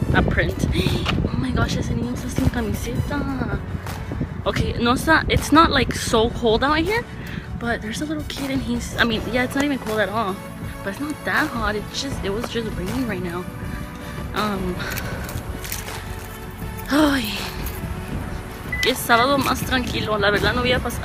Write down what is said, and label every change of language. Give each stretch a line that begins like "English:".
English: Oh my gosh,
Spanish: ese niño está sin camiseta.
English: Okay, no, it's not like so cold out here, but there's a little kid and it's not even cold at all. But it's not that hot, it was just raining right now. Ay.
Spanish: Que sábado más tranquilo, la verdad no había pasado.